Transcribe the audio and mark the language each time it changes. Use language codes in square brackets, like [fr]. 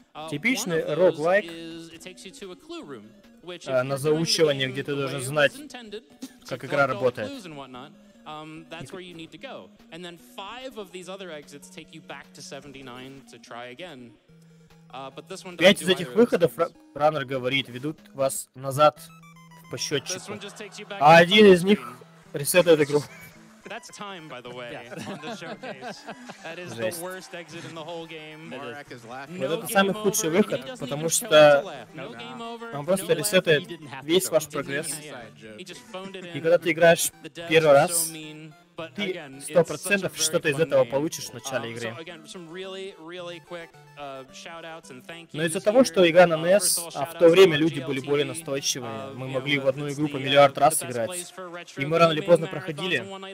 [ru] Типичный roguelike на заучивание, где ты должен знать, как игра работает. [en] That's where you need to go. And then 5 of these other exits take you back to 79 to try again. But this one [ru] 5 из этих выходов, раннер говорит, ведут вас назад по счетчику. А один из них ресетает игру. [en] That's time, by the way, on the showcase. That is the worst exit in the whole game. Morak is laughing. [ru] Вот это самый худший выход, потому что он просто ресетает весь ваш прогресс. И когда ты играешь первый раз, ты 100% что-то из этого получишь в начале игры. Но из-за того, что игра на NES, а в то время люди были более настойчивые, мы могли в одну игру по миллиард раз играть, и мы рано или поздно проходили.